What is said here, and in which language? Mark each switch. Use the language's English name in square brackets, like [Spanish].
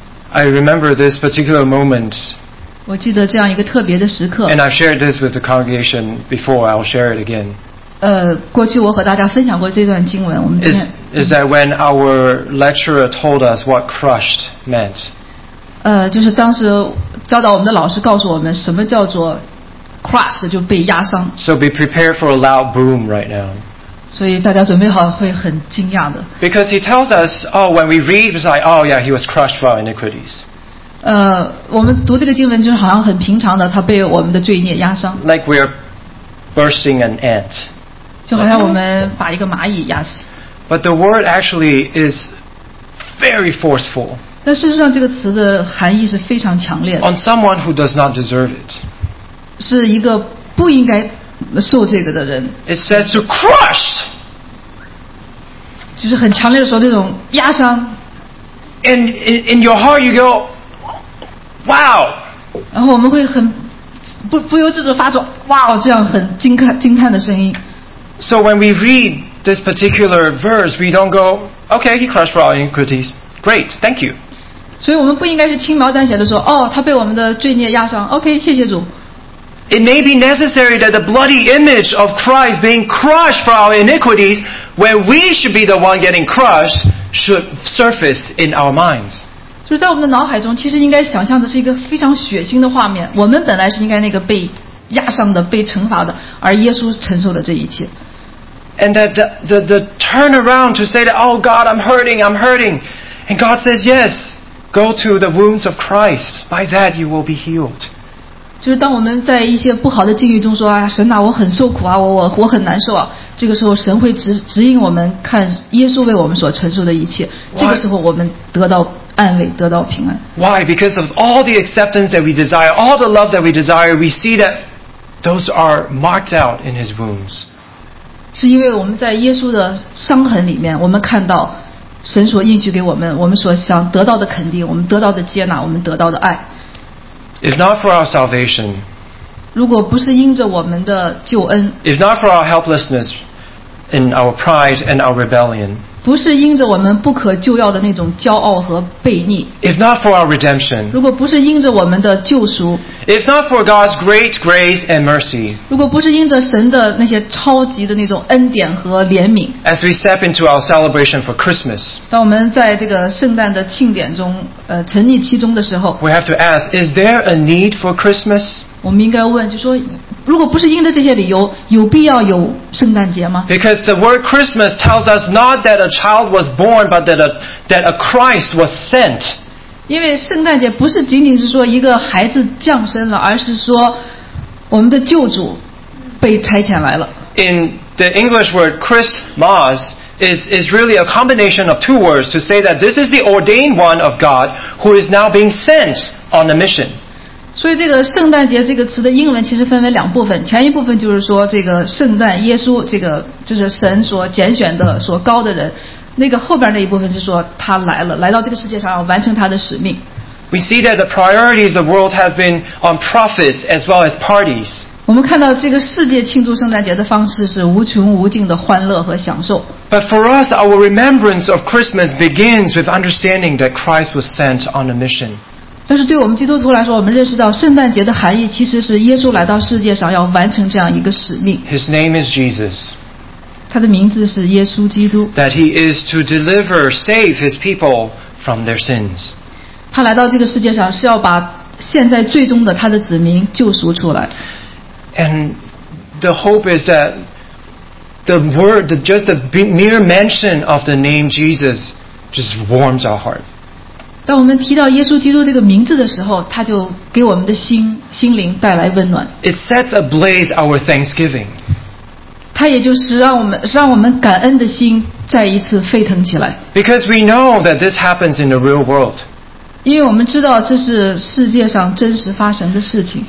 [English] I remember this particular moment. [Chinese] 我记得这样一个特别的时刻。 [English] And I've shared this with the congregation before. I'll share it again. [Chinese] 过去我和大家分享过这段经文。我们今天 [English] is that when our lecturer told us what crushed meant? [Chinese] 就是当时教导我们的老师告诉我们什么叫做 crushed 就被压伤。 [English] So be prepared for a loud boom right now. [Chinese] 所以大家准备好会很惊讶的。 [English] Because he tells us, oh, when we read, it's like, oh, yeah, he was crushed for our iniquities. [Chinese] 我们读这个经文就好像很平常的，他被我们的罪孽压伤。 [English] Like we're bursting an ant. [Chinese] 就好像我们把一个蚂蚁压死。 [English] But the word actually is very forceful. [Chinese] 但事实上这个词的含义是非常强烈的。 [English] On someone who does not deserve it. [Chinese] 是一个不应该受这个的人。 [English] It says to crush. [Chinese] 就是很强烈的说这种压伤。 [English] And in your heart you go, wow. [Chinese] 然后我们会很 不由自主发出 wow 这样很惊叹的声音。 [English] So when we read this particular verse, we don't go, okay, he crushed for our iniquities. Great, thank you. [Chinese] 所以我们不应该是轻描淡写的说，哦，他被我们的罪孽压伤。 OK, 谢谢主。 [English] It may be necessary that the bloody image of Christ being crushed for our iniquities, when we should be the one getting crushed, should surface in our minds. [Chinese] 就是在我们的脑海中，其实应该想象的是一个非常血腥的画面。我们本来是应该那个被压伤的，被惩罚的，而耶稣承受了这一切。 [English] And that the turn around to say that, oh God, I'm hurting, and God says, yes, go to the wounds of Christ. By that you will be healed. [Chinese] 就是当我们在一些不好的境遇中说，哎，神哪，我很受苦啊，我很难受啊。这个时候，神会指引我们看耶稣为我们所承受的一切。 [English] Why? [Chinese] 这个时候，我们得到。安慰得到平安。 [English] Why? Because of all the acceptance that we desire, all the love that we desire, we see that those are marked out in his wounds. [Chinese] 是因为我们在耶稣的伤痕里面，我们看到神所应许给我们，我们所想得到的肯定，我们得到的接纳，我们得到的爱。 [English] If not for our salvation, [Chinese] 如果不是因着我们的救恩， [English] If not for our helplessness in our pride and our rebellion, [Chinese] 不是因着我们不可救药的那种骄傲和悖逆。 [English] If not for our redemption, [Chinese] 如果不是因着我们的救赎。 [English] If not for God's great grace and mercy, [Chinese] 如果不是因着神的那些超级的那种恩典和怜悯。 [English] As we step into our celebration for Christmas, [Chinese] 当我们在这个圣诞的庆典中，沉溺其中的时候。 [English] We have to ask, is there a need for Christmas? [Chinese] 我们应该问，就说如果不是因着这些理由，有必要有圣诞节吗？ [English] Because the word Christmas tells us not that a child was born, but that a Christ was sent. [Chinese] 因为圣诞节不是仅仅是说一个孩子降生了，而是说我们的救主被差遣来了。 [English] In the English word Christmas is really a combination of two words to say that this is the ordained one of God who is now being sent on a mission. [Chinese] 所以这个圣诞节这个词的英文其实分为两部分，前一部分就是说这个圣诞耶稣，这个就是神所拣选的所高的人，那个后边那一部分是说他来了，来到这个世界上要完成他的使命。 [English] We see that the priority of the world has been on profits as well as parties. [Chinese] 我们看到这个世界庆祝圣诞节的方式是无穷无尽的欢乐和享受。 [English] But for us, our remembrance of Christmas begins with understanding that Christ was sent on a mission. [Chinese] 但是对我们基督徒来说，我们认识到圣诞节的含义其实是耶稣来到世界上要完成这样一个使命。 [English] His name is Jesus. [Chinese] 他的名字是耶稣基督。 [English] That he is to deliver, save his people from their sins. [Chinese] 他来到这个世界上是要把现在最终的他的子民救赎出来。 [English] And the hope is that the word, just the mere mention of the name Jesus just warms our heart. [Chinese] 当我们提到耶稣基督这个名字的时候，他就给我们的心灵带来温暖。 [English] It sets ablaze our thanksgiving. [Chinese] 他也就是让我们感恩的心再一次沸腾起来。 [English] Because we know that this happens in the real world. [Chinese] 因为我们知道这是世界上真实发生的事情。